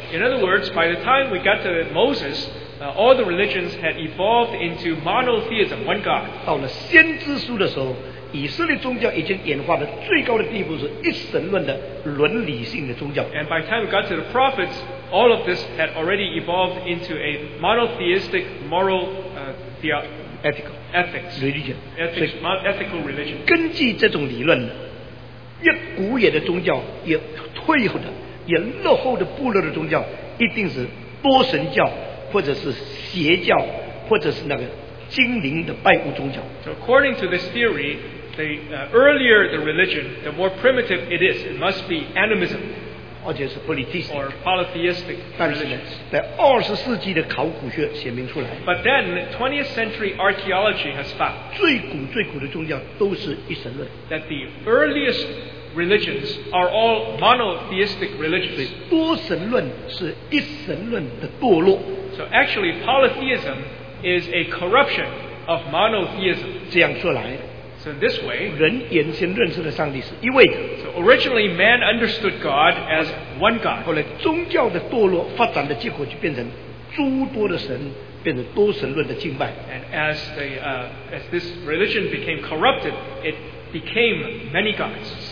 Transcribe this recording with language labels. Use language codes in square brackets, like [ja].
[en] In other words, by the time we got to Moses, all the religions had evolved into monotheism, one God. [zh] 到了先知书的时候，以色列宗教已经演化的最高的地步是一神论的伦理性的宗教。 [en] And by the time we got to the prophets, all of this had already evolved into a monotheistic moral ethical religion. [zh] 根据这种理论，越古野的宗教，越退后的、越落后的部落的宗教，一定是多神教，或者是邪教，或者是那个精灵的拜物宗教。 [en] So according to this theory, the earlier the religion, the more primitive it is. It must be animism. [zh] 或者是 polytheistic, [en] or polytheistic religions. [zh] 但是呢，在二十世纪的考古学显明出来。 [en] But then, 20th century archaeology has found [zh] 最古最古的宗教都是一神论。 [en] That the earliest religions are all monotheistic religions. So actually, polytheism is a corruption of monotheism. [zh] 这样说来, [en] so in this way, [zh] 人原先认识的上帝是一位的, [en] so originally man understood God as one God. [zh] 后来宗教的堕落发展的结果就变成诸多的神, [en] and as this religion became corrupted, it became many gods.